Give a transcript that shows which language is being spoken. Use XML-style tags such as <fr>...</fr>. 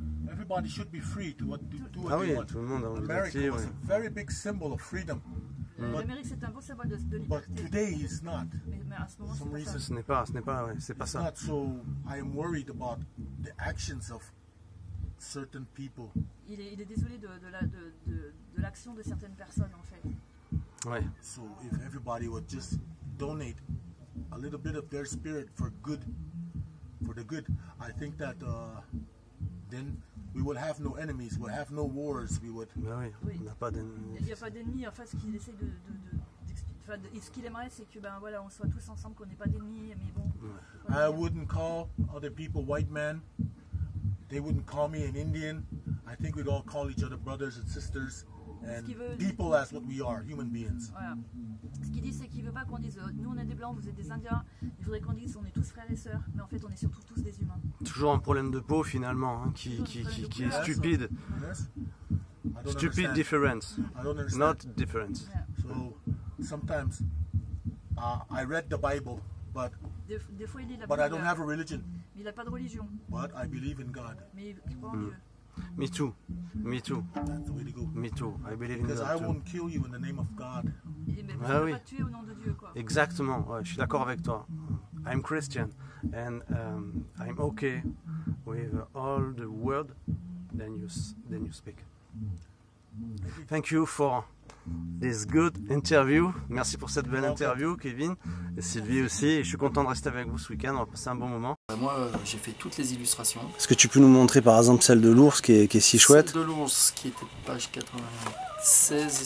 <en>Everybody should be free to what to do what</en> <fr>oui,</fr> <en>they want.</en> <fr>Tout le monde a envie</fr> <en>America</en> <fr>d'être,</fr> <en>was</en> <fr>oui.</fr> <en>A very big symbol of freedom.</en> <fr>L'Amérique c'est un beau symbole de liberté.</fr> <en>But today it's not.</en> <fr>Mais à ce moment, ce n'est pas ouais, c'est pas ça.</fr> <en>Not so I am worried about the actions of certain people.</en> <fr>Il est désolé de l'action de certaines personnes en fait. Ouais.</fr> <en>So if everybody would just donate a little bit of their spirit for the good, I think that then we would have no enemies, we'll have no wars, we would.</en> <fr>Mais oui, oui. On n'a pas d'ennemis. Il n'y a pas d'ennemis. En fait, ce qu'il essaie de ce qu'il aimerait, c'est que ben voilà, on soit tous ensemble, qu'on n'ait pas d'ennemis, mais bon. Ouais.</fr> <en>I wouldn't call other people white men. They wouldn't call me an Indian. I think we'd all call each other brothers and sisters and people as what we are, human beings.</en> <fr>Voilà. Ce qu'il dit, c'est qu'il veut pas qu'on dise nous on est des blancs, vous êtes des indiens. Il voudrait qu'on dise on est tous frères et sœurs, mais en fait on est surtout tous des humains. Toujours un problème de peau finalement, hein, qui est stupide.</fr> <en>Stupid difference. I don't understand. Not difference. Yeah. So sometimes I read the Bible, but</en> <fr>des fois, il lit la</fr> <en>but</en> <fr>Bible.</fr> <en>I don't have a religion.</en> <fr>Il a pas de religion.</fr> <en>But I believe in God.</en> <fr>Mais il croit en Dieu.</fr> <en>Me too. That's the way to go. Me too. I believe in because God. Because I won't kill you in the name of God.</en> <fr>Mais ah, oui. Pas tuer au nom de Dieu, quoi. Exactement. Ouais, je suis d'accord avec toi.</fr> <en>I'm Christian and I'm okay with all the word than you speak. Thank you for this good interview.</en> <fr>Merci pour cette belle interview, Kevin et Sylvie aussi. Et je suis content de rester avec vous ce week-end. On va passer un bon moment. Moi, j'ai fait toutes les illustrations. Est-ce que tu peux nous montrer par exemple celle de l'ours qui est si chouette? Celle de l'ours qui était page 96. Et</fr>